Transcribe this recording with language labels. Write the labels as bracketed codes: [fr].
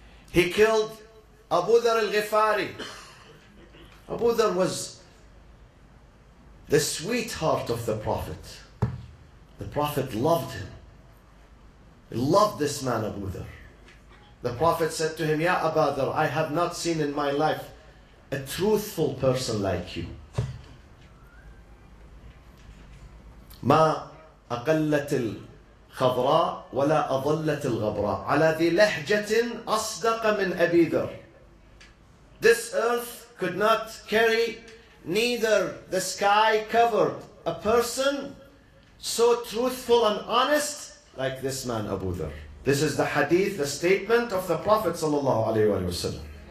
[en] He killed Abu Dhar al-Ghifari. Abu Dhar was the sweetheart of the Prophet. The Prophet loved him. He loved this man, Abu Dhar. The Prophet said to him, Ya Abu Dhar, I have not seen in my life a truthful person like you. [ar] ما أقلت الخضراء ولا أضلت الغبراء على ذي لهجة أصدق من أبي ذر. [en] This earth could not carry, neither the sky covered a person so truthful and honest like this man Abu Dhar. This is the hadith, the statement of the Prophet sallallahu alaihi wa sallam.